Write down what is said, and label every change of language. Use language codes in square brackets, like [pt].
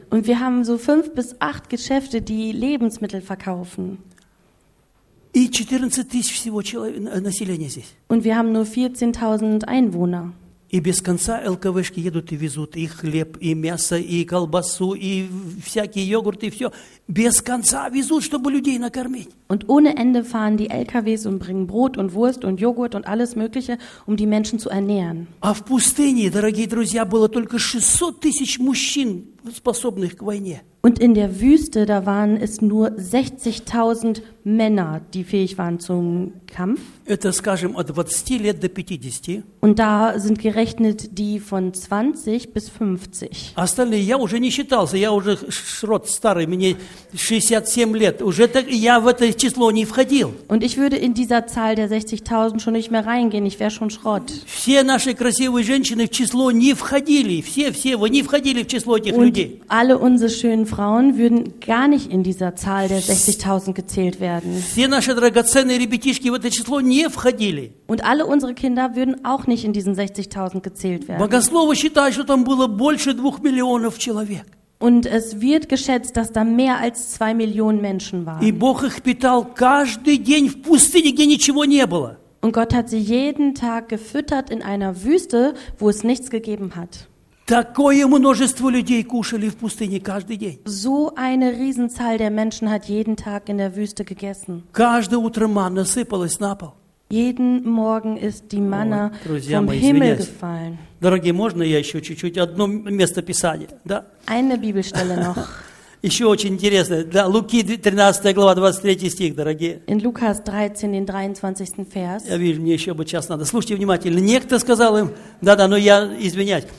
[de] Und wir haben so 5 bis 8 Geschäfte, die Lebensmittel verkaufen. [ru] И 14.000 всего населения здесь. [de] Und wir haben nur 14.000 Einwohner. [ru] И без конца ЛКВшки едут и везут и хлеб, и мясо, и колбасу, и всякие йогурты, и все. Без конца везут, чтобы людей накормить. [de] Und ohne Ende fahren die LKWs und bringen Brot und Wurst und Joghurt und alles Mögliche, um die Menschen zu ernähren. [ru] А в пустыне, дорогие друзья, было только 600 тысяч мужчин, способных к войне. [de] Und in der Wüste, da waren es nur 60.000 Männer, die fähig waren zum Kampf. [ru] Это, скажем, от 20 лет до 50. [de] Und da sind gerechnet die von 20 bis 50. [ru] Остальные я уже не считался, я уже срод старый, мне 67 лет. Уже так, я в это число не входил. [de] Und ich würde in dieser Zahl der 60.000 schon nicht mehr reingehen, ich wäre schon Schrott. [ru] Все наши красивые женщины в число не входили, все вы не входили в число этих [de] Und Und alle unsere schönen Frauen würden gar nicht in dieser Zahl der 60.000 gezählt werden. [ru] Все наши драгоценные ребятишки в это число не входили. [de] Und alle unsere Kinder würden auch nicht in diesen 60.000 gezählt werden. [ru] Богословы считают, что там было больше 2 миллионов человек. [de] Und es wird geschätzt, dass da mehr als 2 Millionen Menschen waren. [ru] И Бог их питал каждый день в пустыне, где ничего не было. [de] Und Gott hat sie jeden Tag gefüttert in einer Wüste, wo es nichts gegeben hat. [ru] Такое множество людей кушали в пустыне каждый день. [de] So eine Riesenzahl der Menschen hat jeden Tag in der Wüste gegessen. [ru] Каждое утро манна сыпалась на пол. [de] Jeden Morgen ist die Manna vom Himmel gefallen. [ru] Дорогие, можно я еще чуть-чуть одно место писания, да? [de] Eine Bibelstelle noch. [ru] Еще очень интересно, да, Луки 13 глава 23 стих, дорогие. [de] In Lukas 13, den 23. Vers. [ru] Я вижу, мне еще бы час надо. Слушайте внимательно. Некто сказал им, да-да, но я извиняюсь.